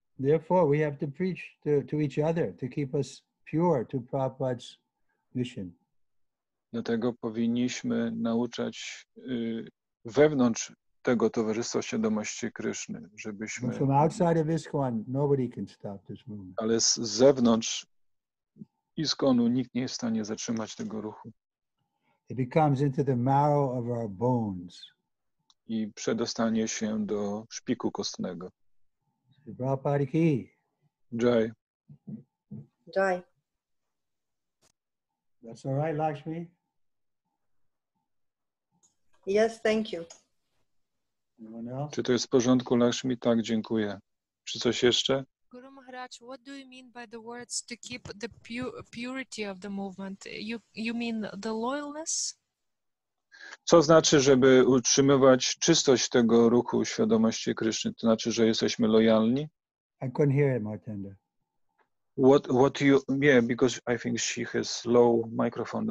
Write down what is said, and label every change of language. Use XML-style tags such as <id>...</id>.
<en>Therefore, we have to preach to each other to keep us pure to Prabhupada's mission.</en> <pl>Dlatego powinniśmy nauczać wewnątrz tego Towarzystwa Świadomości Kryszny, żebyśmy...</pl> <en>From outside of ISKCON, nobody can stop this movement.</en> <pl>Ale z zewnątrz ISKCON-u nikt nie jest w stanie zatrzymać tego ruchu.</pl> <en>It becomes into the marrow of our bones.</en> <pl>I przedostanie się do szpiku kostnego. Prabhupada ki. Jai. Jai.</pl> <en>That's all right, Lakshmi? Yes, thank you.</en> <pl>Czy to jest w porządku, Lakshmi? Tak, dziękuję. Czy coś jeszcze?</pl> <en>Guru Maharaj, what do you mean by the words to keep the purity of the movement? You mean the loyalness?</en> <pl>Co znaczy, żeby utrzymywać czystość tego ruchu świadomości Kryszny? To znaczy, że jesteśmy lojalni?</pl> <en>I couldn't hear it, Martinda. What you yeah because I think she has low microphone.</en>